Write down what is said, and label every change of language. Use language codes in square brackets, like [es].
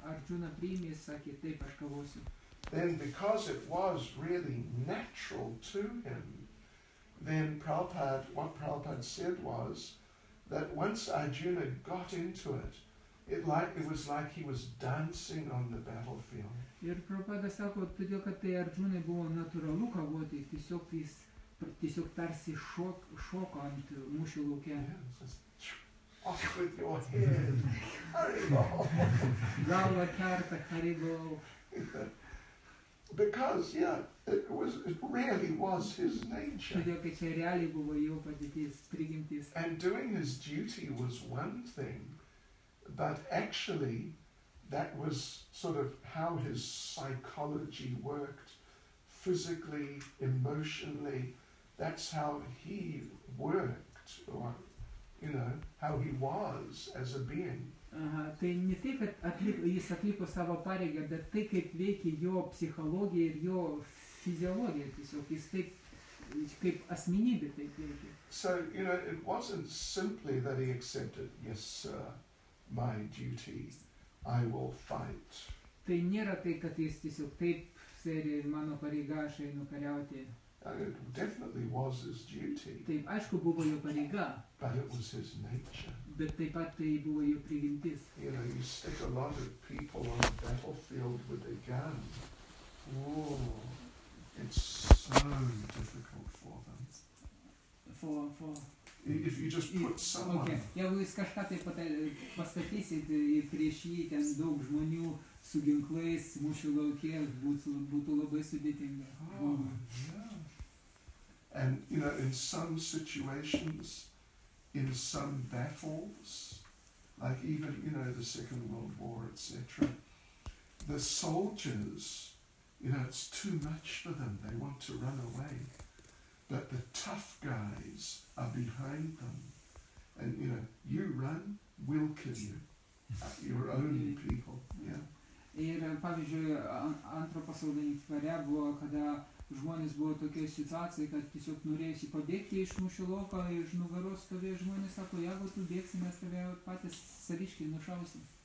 [en] Then because it was really natural to him, then what Prabhupada said was that once Arjuna got into it, it was like he was dancing on the battlefield. [lt] Ir Prabhupada sako, todėl kad tai Arjunai buvo natūralu kovoti, tiesiog tarsi šoko ant mūšio lauke. [en] Off with your head, Haribol. [lt] Galva kerta, Haribol. [en] Because, yeah, it really was his nature. [lt] Todėl kad čia realiai buvo jo padėtis, prigimtis. [en] And doing his duty was one thing, but actually that was sort of how his psychology worked physically, emotionally. That's how he worked, or, you know, how he was as a being. [lt] Tai ne tai, kad jis atlipo savo pareigą, bet tai, kaip veikia jo psichologija ir jo fiziologija, tiesiog jis taip kaip asmenybė taip veikia. [en] So, you know, it wasn't simply that he accepted, yes sir, my duty, I will fight. [lt] Tai nėra tai, kad jis tiesiog taip, seri, mano pareiga, aš einu kariauti. [en] It definitely was his duty. [lt] Taip, aišku, buvo jo pareiga. [en] But it was his nature. [lt] Bet taip pat tai buvo jo prigimtis. [en] You know, you stick a lot of people on the battlefield with a gun. Oh, it's so difficult for them. For... If you just put someone... [lt] Okay, jeigu jūs kažką tai pastatysit ir prieš jį ten daug žmonių su ginklais mūšio laukė, būtų labai sudėtinga. [en] Oh, yeah. And, you know, in some situations, in some battles, like even, you know, the Second World War, etc., the soldiers, you know, it's too much for them. They want to run away. But the tough guys are behind them. And, you know, you run, we'll kill you. Your own people, yeah. [lt] Ir, pavyzdžiui, antro pasaulinį karą buvo, kada žmonės buvo tokia situacija, kad tiesiog norėjusi pabėgti iš mūšio lauko, iš nugaros stovėjo žmonės, sako, jeigu tu bėgsi, mes tave patys saviškiai nušausim.